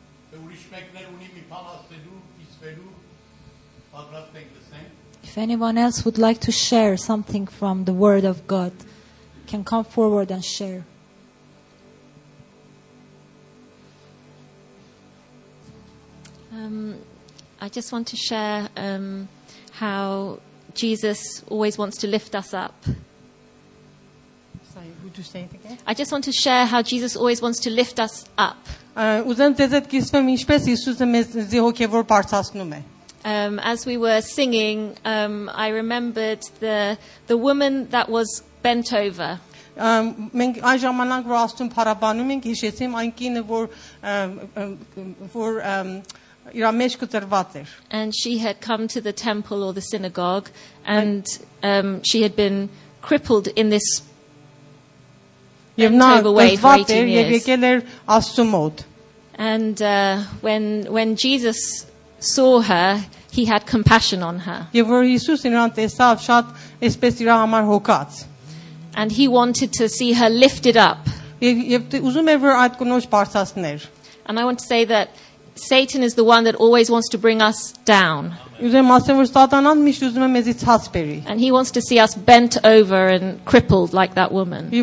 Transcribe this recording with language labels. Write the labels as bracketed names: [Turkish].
[Armenian] Թե ուրիշ մեկներ ունի մի բան ասելու, իսկելու, պատրաստ ենք լսենք։ [English] If anyone else would like to share something from the word of God, can come forward and share. I just want to share how Jesus always wants to lift us up. Sorry, would you say it again? I just want to share how Jesus always wants to lift us up. As we were singing, I remembered the woman that was bent over. [Armenian] Մենք այս ժամանակ որ Աստուն փարաբանում ենք, հիշեցիմ այն կինը, որ իր մեջ կտրված էր. [English] And she had come to the temple or the synagogue and she had been crippled in this [Armenian] եւ նա գծված էր եւ եկել էր Աստծո մոտ. [English] And when Jesus saw her, he had compassion on her. [Armenian] Եվ որ Հիսուս նրան տեսավ, շատ այսպես իր համար հոգաց. [English] And he wanted to see her lifted up. [Armenian] Եվ ուզում էր որ այդ կնոջ բարձրացներ. [English] And I want to say that Satan is the one that always wants to bring us down. And he wants to see us bent over and crippled like that woman.